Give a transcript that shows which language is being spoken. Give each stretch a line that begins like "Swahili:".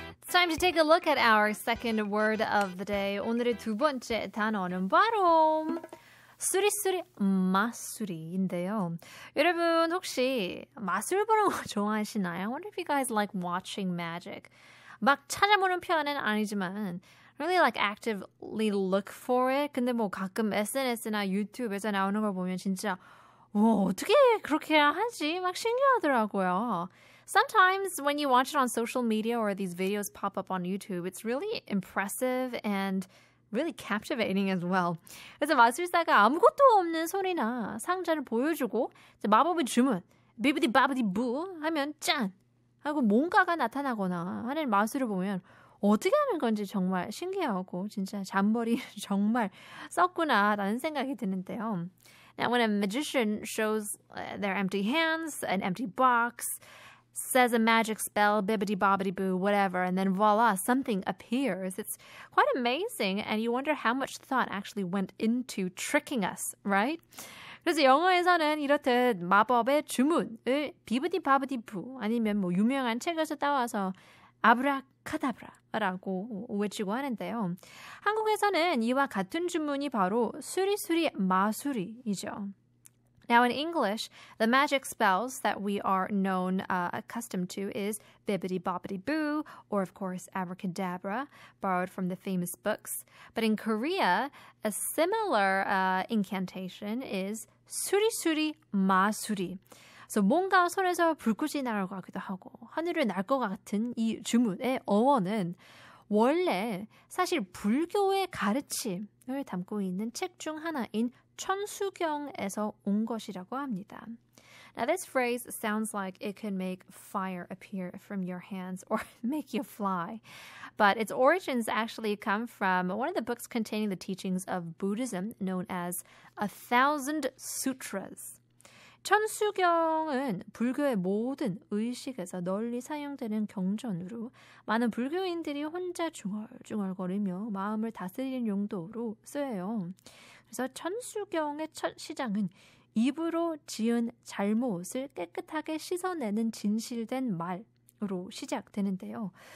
English: time to take a look at our second word of the day.
Korean: 오늘의 두 번째 단어는 바로 수리수리 마술인데요. 여러분 혹시 마술 보는 거 좋아하시나요?
English: I wonder if you guys like watching magic.
Korean: 막 찾아보는 편은 아니지만
English: really like actively look for it.
Korean: 근데 뭐 가끔 SNS나 유튜브에서 나오는 걸 보면 진짜 와 어떻게 그렇게 하지? 막 신기하더라고요.
English: Sometimes when you watch it on social media or these videos pop up on YouTube, it's really impressive and really captivating as well.
Korean: 그래서 마술사가 아무것도 없는 손이나 상자를 보여주고 이제 마법의 주문, 비비디 바비디 부 하면 짠! 하고 뭔가가 나타나거나 하는 마술을 보면 어떻게 하는 건지 정말 신기하고 진짜 잠버리 정말 썼구나 라는 생각이 드는데요.
English: Now when a magician shows their empty hands, an empty box, says a magic spell, bibbidi-bobbidi-boo, whatever, and then voila, something appears. It's quite amazing, and you wonder how much thought actually went into tricking us, right?
Korean: 그래서 영어에서는 이렇듯 마법의 주문을 bibbidi-bobbidi-boo, 아니면 뭐 유명한 책에서 따와서 아브라카다브라라고 외치고 하는데요. 한국에서는 이와 같은 주문이 바로 수리수리 마술이죠.
English: Now in English, the magic spells that we are known accustomed to is bibbidi bobbidi boo, or of course abracadabra, borrowed from the famous books. But in Korea, a similar incantation is suri-suri masuri.
Korean: So 뭔가 손에서 불꽃이 날 것 같기도 하고 하늘을 날 것 같은 이 주문의 어원은 원래 사실 불교의 가르침을 담고 있는 책 중 하나인 천수경에서 온 것이라고 합니다.
English: Now this phrase sounds like it can make fire appear from your hands or make you fly. But its origins actually come from one of the books containing the teachings of Buddhism known as A Thousand Sutras.
Korean: 천수경은 불교의 모든 의식에서 널리 사용되는 경전으로 많은 불교인들이 혼자 중얼중얼거리며 마음을 다스리는 용도로 쓰여요. 그래서 천수경의 첫 시장은 입으로 지은 잘못을 깨끗하게 씻어내는 진실된 말로 시작되는데요.